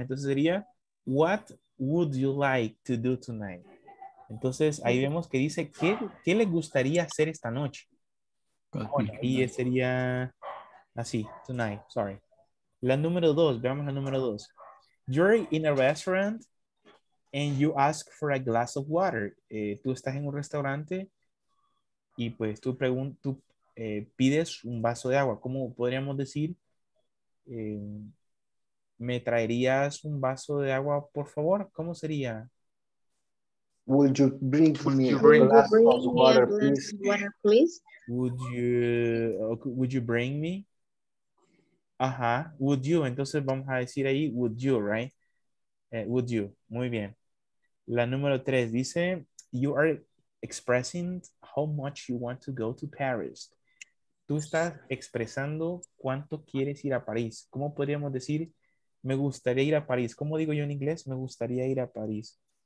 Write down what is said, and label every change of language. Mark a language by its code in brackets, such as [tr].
[es] Entonces sería, [en] what would you like to do tonight? [es] Entonces ahí vemos que dice, ¿qué le gustaría hacer esta noche? Y sería así, tonight, sorry. La número dos, veamos la número dos. [en] You're in a restaurant and you ask for a glass of water. [es] Tú estás en un restaurante y pues tú pides un vaso de agua. ¿Cómo podríamos decir? ¿Me traerías un vaso de agua, por favor? ¿Cómo sería? [en] Would you bring me a glass of water, please? Would you bring me? Ajá, would you. [es] Entonces vamos a decir ahí, [en] would you, right? Would you. [es] Muy bien. La número tres dice, [en] you are expressing how much you want to go to Paris. [es] Tú estás expresando cuánto quieres ir a París. ¿Cómo podríamos decir, me gustaría ir a París? ¿Cómo digo yo en inglés, me gustaría ir a París?